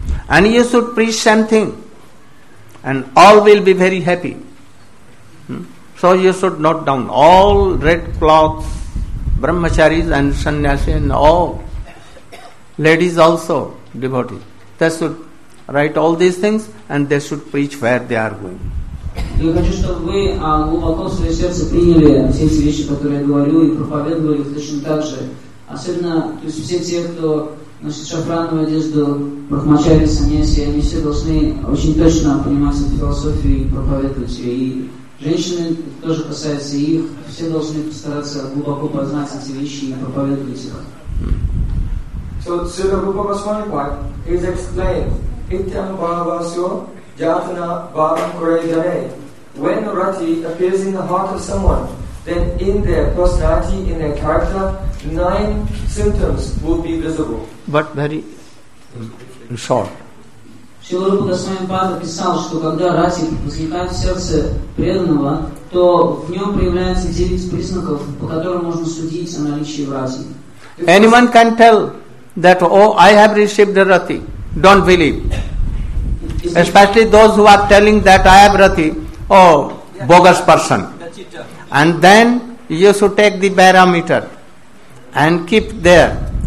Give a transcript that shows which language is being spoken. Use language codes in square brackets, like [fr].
[en] And you should preach something and all will be very happy. So you should note down all red cloths, brahmacharis and sannyasi and all ladies also, devotees. They should write all these things and they should preach where they are going. [ru] Я хочу, чтобы вы глубоко в свое сердце приняли все эти вещи, которые я говорю, и проповедовали их точно так же. Особенно, то есть все те, кто носит шафрановую одежду, брахмачари, саньяси, они все должны очень точно понимать эту философию и проповедовать ее. И женщины, тоже касается их, все должны постараться глубоко познать эти вещи и проповедовать их. [en] So, Srila Rupa Goswami Pai, he explained, Ityam Bhavasyo Jatana Bhavam Kure Jare. When Rati appears in the heart of someone, then in their personality, in their character, nine symptoms will be visible. But very short. [ru] Srila Rupa Goswami Pada писал, что когда рати возникает в сердце преданного, то в нем проявляется 9 признаков, по которым можно судить о наличии в рати. [en] Anyone can tell that, oh, I have received the rati. Don't believe. Especially those who are telling that I have rati, oh, bogus person. And then you should take the barometer and keep there.